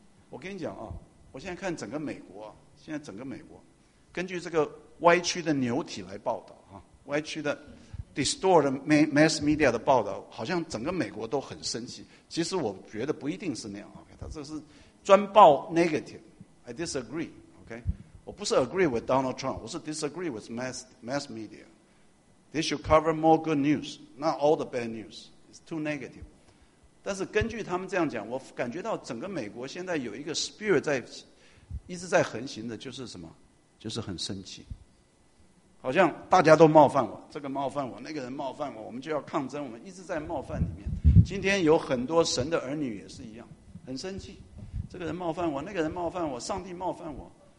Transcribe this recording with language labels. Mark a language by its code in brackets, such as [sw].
[zh] 我跟你讲啊，我现在看整个美国啊，现在整个美国根据这个歪曲的牛体来报道啊，歪曲的 [en] distorted mass media [zh] 的报道，好像整个美国都很生气。其实我觉得不一定是那样。 OK， 他这是专报 negative。 [en] I disagree。 OK， [zh] 我不是 [en] agree with Donald Trump， [zh] 我是 [en] disagree with mass media。 They should cover more good news, not all the bad news. It's too negative。 [zh] 但是根据他们这样讲，我感觉到整个美国现在有一个 spirit 在一直在横行的，就是什么，就是很生气，好像大家都冒犯我，这个冒犯我，那个人冒犯我，我们就要抗争，我们一直在冒犯里面。今天有很多神的儿女也是一样，很生气，这个人冒犯我，那个人冒犯我，上帝冒犯我。